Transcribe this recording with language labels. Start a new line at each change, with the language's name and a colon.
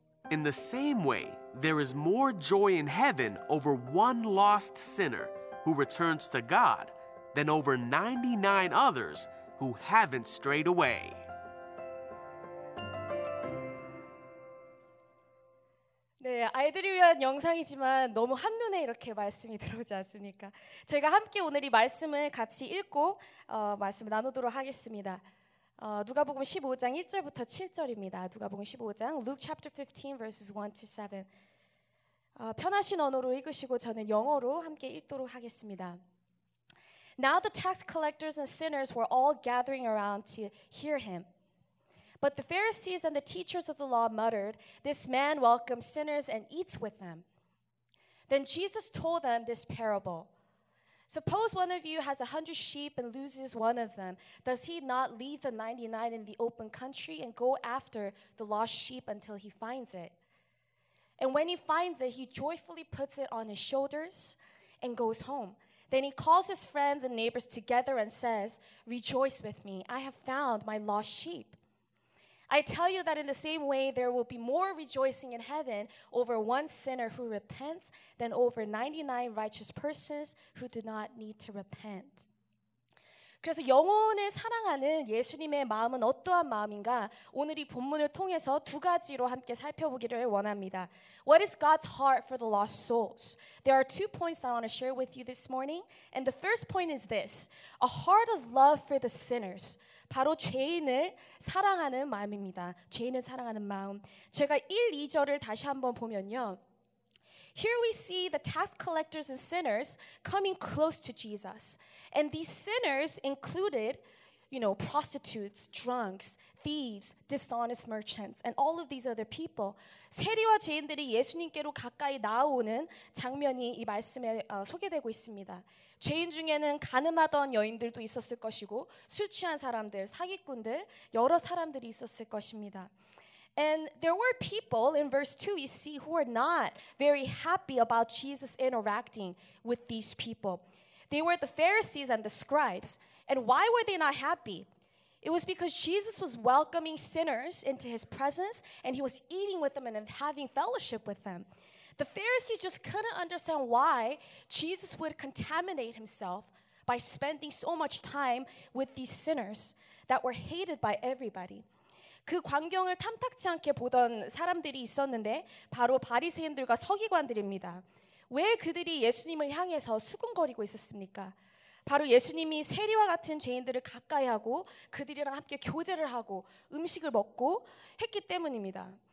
English: In the same way, there is more joy in heaven over one lost sinner who returns to God than over 99 others who haven't strayed away.
Korean: 네, 아이들을 위한 영상이지만 너무 한눈에 이렇게 말씀이 들어오지 않습니까? 저희가 함께 오늘 이 말씀을 같이 읽고 말씀을 나누도록 하겠습니다. 누가복음 15장 1절부터 7절입니다. 누가복음 15장,
English: Luke chapter 15, verses 1 to 7.
Korean: 편하신 언어로 읽으시고 저는 영어로 함께 읽도록 하겠습니다.
English: Now the tax collectors and sinners were all gathering around to hear him. But the Pharisees and the teachers of the law muttered, This man welcomes sinners and eats with them. Then Jesus told them this parable. Suppose one of you has 100 sheep and loses one of them. Does he not leave the 99 in the open country and go after the lost sheep until he finds it? And when he finds it, he joyfully puts it on his shoulders and goes home. Then he calls his friends and neighbors together and says, Rejoice with me, I have found my lost sheep. I tell you that in the same way, there will be more rejoicing in heaven over one sinner who repents than over 99 righteous persons who do not need to repent.
Korean: 그래서 영혼을 사랑하는 예수님의 마음은 어떠한 마음인가? 오늘 이 본문을 통해서 두 가지로 함께 살펴보기를 원합니다.
English: What is God's heart for the lost souls? There are two points that I want to share with you this morning. And the first point is this, a heart of love for the sinners.
Korean: 바로 죄인을 사랑하는 마음입니다. 죄인을 사랑하는 마음. 제가 1, 2절을 다시 한번 보면요.
English: Here we see the tax collectors and sinners coming close to Jesus. And these sinners included, you know, prostitutes, drunks, thieves, dishonest merchants, and all of these other people.
Korean: 세리와 죄인들이 예수님께로 가까이 나오는 장면이 이 말씀에 소개되고 있습니다. 죄인 중에는 간음하던 여인들도 있었을 것이고 술 취한 사람들, 사기꾼들, 여러 사람들이 있었을 것입니다.
English: And there were people in verse 2 we see who were not very happy about Jesus interacting with these people. They were the Pharisees and the scribes. And why were they not happy? It was because Jesus was welcoming sinners into his presence and he was eating with them and having fellowship with them. The Pharisees just couldn't understand why Jesus would contaminate himself by spending so much time with these sinners that were hated by everybody.
Korean: 그 광경을 탐탁지 않게 보던 사람들이 있었는데 바로 바리새인들과 서기관들입니다. 왜 그들이 예수님을 향해서 수군거리고 있었습니까? 바로 예수님이 세리와 같은 죄인들을 가까이하고 그들이랑 함께 교제를 하고 음식을 먹고 했기 때문입니다.